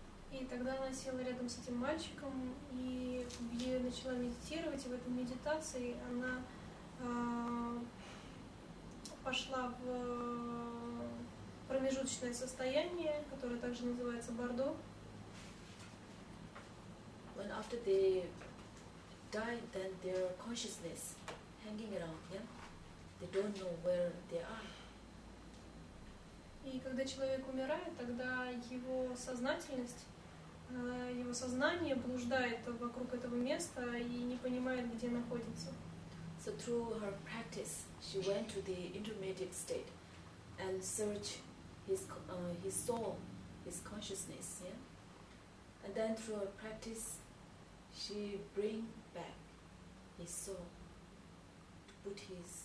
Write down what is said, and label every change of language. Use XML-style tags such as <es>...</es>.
<ru>И тогда она села рядом с этим мальчиком и начала медитировать, и в этой медитации она пошла в промежуточное состояние, которое также называется бардо.</ru> <en>When after they die, then their consciousness hanging around, yeah? They don't know where they are.</en> <ru>И когда человек умирает, тогда его сознательность, его сознание блуждает вокруг этого места и не понимает, где находится.</ru> <en>So through her practice, she went to the intermediate state and searched his soul, his consciousness, yeah. And then through her practice, she bring back his soul to put him.</en>